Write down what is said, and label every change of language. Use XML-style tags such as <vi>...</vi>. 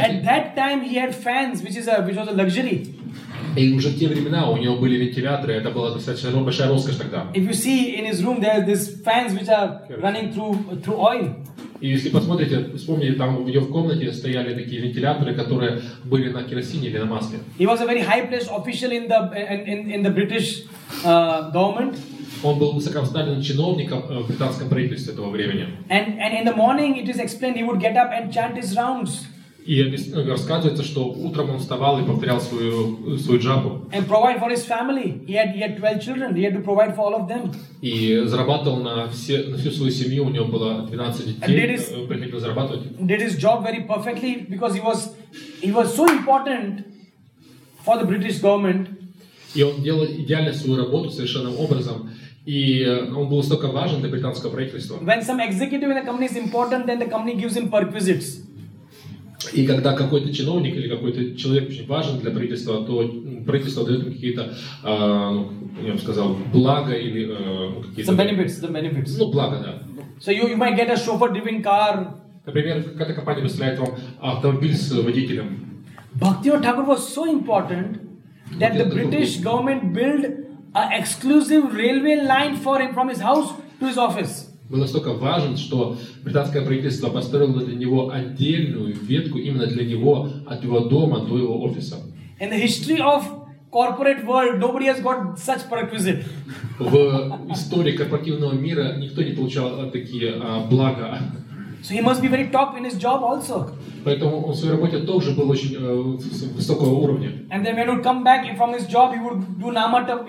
<en>At that time he had fans, which was a luxury.</en> <ru>И уже в те времена у него были вентиляторы, это была достаточно большая роскошь тогда.</ru> <en>If you see in his room there are these fans which are running through oil.</en> <ru>И если посмотрите, вспомните, там у него в комнате стояли такие вентиляторы, которые были на керосине или на масле.</ru> <en>He was a very high placed official in the British government.</en> <ru>Он был высокопоставленным чиновником в британском правительстве того времени.</ru> <en>And in the morning it is explained he would get up and chant his rounds.</en> <ru>И рассказывается, что утром он вставал и повторял свою джапу.</ru> <en>And provide for his family. He had 12 children. He had to provide for all of them.</en> <ru>И зарабатывал на всю свою семью. У него было 12 детей.</ru> <en>And</en> <ru>приходил зарабатывать.</ru> <en>Did his job very perfectly because he was so important for the British government.</en> <ru>И он делал идеально свою работу совершенным образом. И он был настолько важен для британского правительства.</ru> <en>When some executive in a company is important, then the company gives him perquisites.</en> <ru>И когда какой-то чиновник или какой-то человек очень важен для правительства, то правительство дает ему какие-то, я бы сказал, блага или какие-то...</ru> <en>The benefits.</en> <ru>Ну, блага, да.</ru> <en>So you might get a chauffeur-driven car.</en> <ru>Например, какая-то компания выставляет вам автомобиль с водителем.</ru> <en>Bhaktivinoda Thakur was so important that the British government built an exclusive railway line for him from his house to his office.</en> <ru>Был настолько важен, что британское правительство построило для него отдельную ветку именно для него от его дома до его офиса.</ru> <en>In the history of corporate world, nobody has got such perquisite.</en> <ru>В истории корпоративного мира никто не получал такие блага.</ru> <en>So he must be very top in his job also.</en> <ru>Поэтому он в своей работе тоже был очень высокого уровня.</ru> <en>And then when he would come back from his job, he would do Namata.</en>